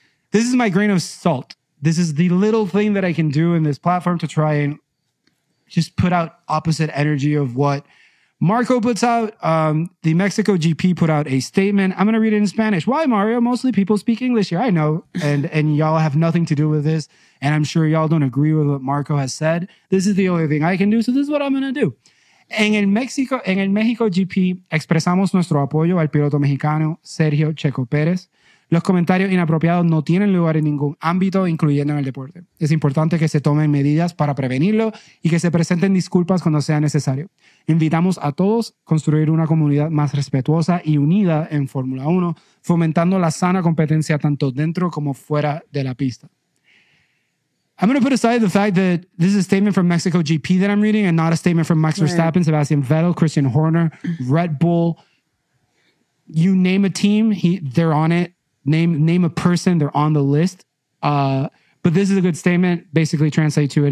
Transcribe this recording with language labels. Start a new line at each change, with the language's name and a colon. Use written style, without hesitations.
English: This is my grain of salt. This is the little thing that I can do in this platform to try and just put out opposite energy of what Marco puts out. The Mexico GP put out a statement. I'm going to read it in Spanish. Why, Mario? Mostly people speak English here. I know. And y'all have nothing to do with this. And I'm sure y'all don't agree with what Marco has said. This is the only thing I can do. So this is what I'm going to do.
Spanish: En el México GP, expresamos nuestro apoyo al piloto mexicano Sergio Checo Pérez. Los comentarios inapropiados no tienen lugar en ningún ámbito, incluyendo en el deporte. Es importante que se tomen medidas para prevenirlo y que se presenten disculpas cuando sea necesario. Invitamos a todos a construir una comunidad más respetuosa y unida en Fórmula 1, fomentando la sana competencia tanto dentro como fuera de la pista.
English: I'm going to put aside the fact that this is a statement from Mexico GP that I'm reading and not a statement from Max Verstappen, Sebastian Vettel, Christian Horner, Red Bull. You name a team, they're on it. Name a person, they're on the list. But this is a good statement. Basically, translate to it.